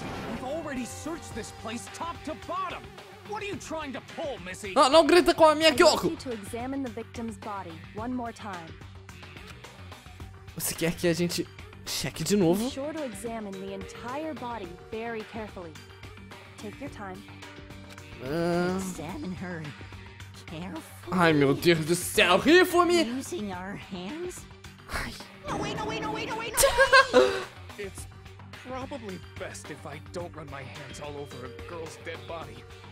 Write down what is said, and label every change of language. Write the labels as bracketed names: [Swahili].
[English] We've already searched this place top to bottom. What are you trying to pull, Missy? [Portuguese] Não, não grita com a minha Kyoko. [English] I want you to examine the victim's body one more time. [Portuguese] Você quer que a gente cheque de novo? [English] Be sure to examine the entire body very carefully. Take your time. Examine her. [Portuguese] Ai meu Deus do céu, Rifumi! [English] Using our hands? No way, no way, no way, no way, no way! It's probably best if I don't run my hands all over a girl's dead body.